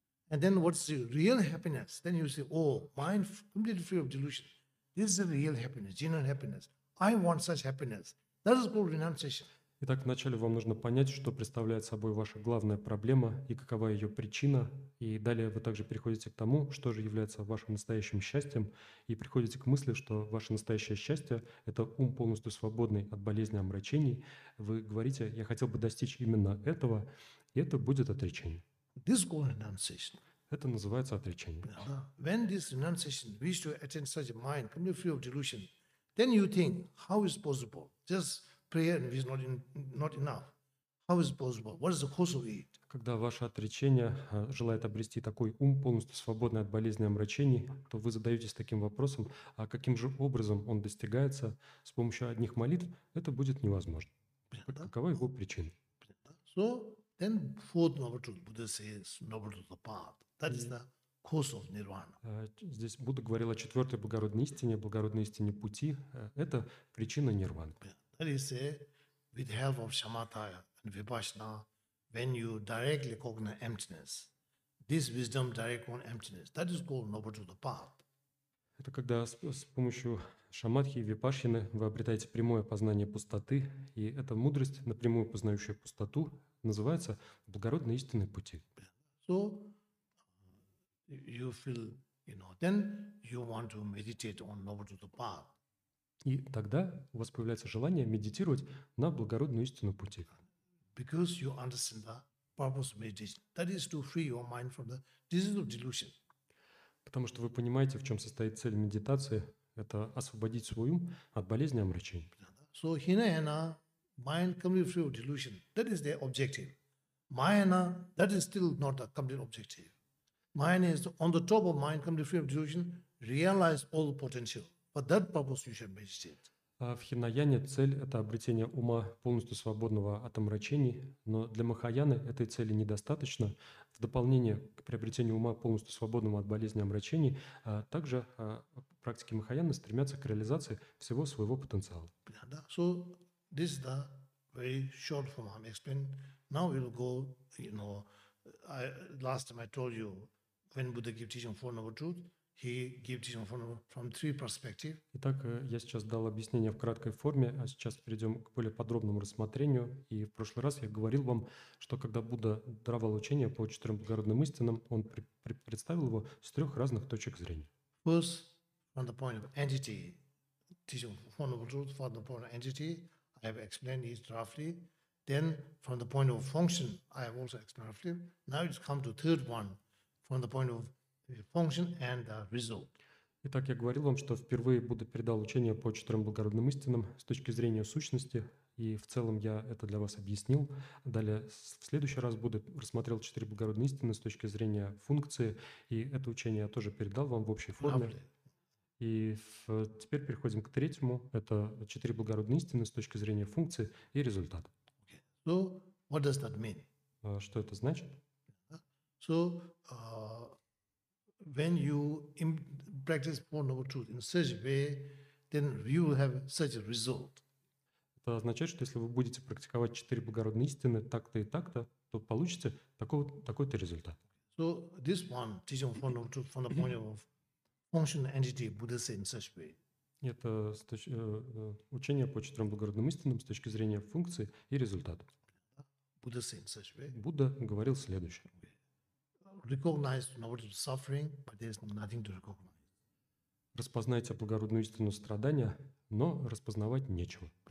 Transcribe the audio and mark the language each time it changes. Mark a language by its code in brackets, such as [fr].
[en] And then what's the real happiness? Then you say, oh, mind completely free of delusion. This is the real happiness, genuine happiness. I want such happiness. That is called renunciation. [ru] Итак, вначале вам нужно понять, что представляет собой ваша главная проблема и какова ее причина. И далее вы также переходите к тому, что же является вашим настоящим счастьем, и приходите к мысли, что ваше настоящее счастье – это ум, полностью свободный от болезни и омрачений. Вы говорите, я хотел бы достичь именно этого, и это будет отречение. [en] This is called renunciation. [ru] Это называется отречение. [en] When this renunciation wish to attain such a mind completely free of delusion, then you think, how is possible? Just prayer and wish not enough. How is possible? What is the cause of it? [ru] Когда ваше отречение желает обрести такой ум, полностью свободный от болезни и омрачений, то вы задаетесь таким вопросом, а каким же образом он достигается с помощью одних молитв? Это будет невозможно. Какова его причина? [en] So, then fourth noble truth, Buddha says, noble truth apart. That is the cause of nirvana. [ru] Здесь Будда говорил о четвертой благородной истине пути. Это причина нирваны. [en] That is, with help of samatha and vipassana, when you directly cognize emptiness, this wisdom directs on emptiness. That is called noble truth apart. [ru] Это когда с помощью шамадхи и випашаны вы обретаете прямое познание пустоты, и эта мудрость, напрямую познающая пустоту, называется благородные истинные пути. [en] So you feel, you know, then you want to meditate on noble truth path. [ru] И тогда у вас появляется желание медитировать на благородную истину пути. [en] Because you understand the purpose of meditation, that is to free your mind from the disease of delusion. [ru] Потому что вы понимаете, в чем состоит цель медитации, это освободить свой ум от болезни и омрачений. [en] So hinayana, mind completely free of delusion. That is their objective. Mayana, that is still not a complete objective. Mayana is on the top of mind completely free of delusion, realize all the potential. For that purpose you should meditate. [ru] В хинаяне цель – это обретение ума, полностью свободного от омрачений. Но для махаяны этой цели недостаточно. В дополнение к приобретению ума, полностью свободного от болезни и омрачений, также практики махаяны стремятся к реализации всего своего потенциала. [en] So, this is the very short form I'm explaining. Now we'll go, you know, last time I told you, when Buddha gave teaching Four Noble Truths, he gave teaching from three perspectives. [ru] Итак, я сейчас дал объяснение в краткой форме, а сейчас перейдем к более подробному рассмотрению. И в прошлый раз я говорил вам, что когда Будда давал учение по четырем благородным истинам, он представил его с трех разных точек зрения. [en] First, from the point of entity, teaching Four Noble Truths from the point of entity, I have explained it roughly. Then, from the point of function, I have also explained roughly. Now it's come to third one, from the point of function and the result. [ru] Итак, я говорил вам, что впервые Будда передал учение по четырем благородным истинам с точки зрения сущности, и в целом я это для вас объяснил. Далее, в следующий раз Будда рассмотрел четыре благородные истины с точки зрения функции, и это учение я тоже передал вам в общей форме. И теперь переходим к третьему. Это четыре благородные истины с точки зрения функции и результата. [en] Okay. So, what does that mean? [ru] Что это значит? [en] So, when you practice Four Noble Truths in such a way, then you will have such a result. [ru] Это означает, что если вы будете практиковать четыре благородные истины так-то и так-то, то получите такой-то результат. [en] So, this one, teaching Four Noble Truths from the point of functional entity, Buddha said in such a way. [ru] Это учение по четырем благородным истинам с точки зрения функции и результата. [en] Buddha said in such a way. [ru] Будда говорил следующее. [en] Recognize noble suffering, but there's nothing to recognize. [ru] Распознайте благородную истину страдания, но распознавать нечего.